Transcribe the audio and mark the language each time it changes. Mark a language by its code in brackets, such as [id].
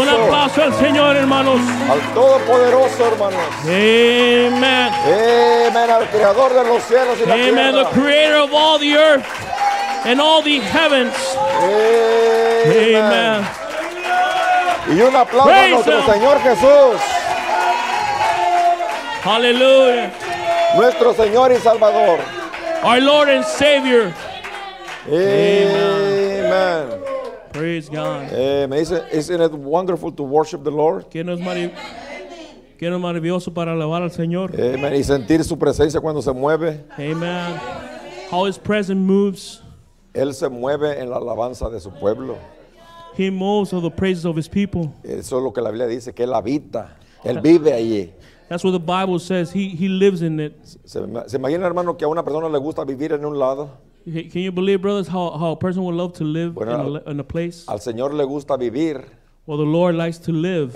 [es] Un aplauso al Señor, hermanos. Al Todopoderoso, hermanos. Amen. Amen. Al Creador de los cielos y la tierra. Amen. [en] The Creator of all the earth and all the heavens. [es] Amen. Amen. Y un aplauso [en] Praise [es] a nuestro [en] him. [es] Señor Jesús. Hallelujah. Nuestro Señor y Salvador. [en] Our Lord and Savior. Amen. Amen. Praise God. Amen. Isn't it wonderful to worship the Lord? [es] Que no es maravilloso para alabar al Señor. Amen. Y sentir su presencia cuando se mueve. [en] Amen. How his presence moves. [es] Él se mueve en la alabanza de su pueblo. [en] He moves on the praises of his people. [es] Eso es lo que la Biblia dice, que él habita. Él vive allí. [en] That's what the Bible says. He lives in it. [es] ¿Se imagina, hermano, que a una persona le gusta vivir en un lado? [en] Can you believe, brothers, how a person would love to live in a place? [es] Al Señor le gusta vivir. [en] Well, the Lord likes to live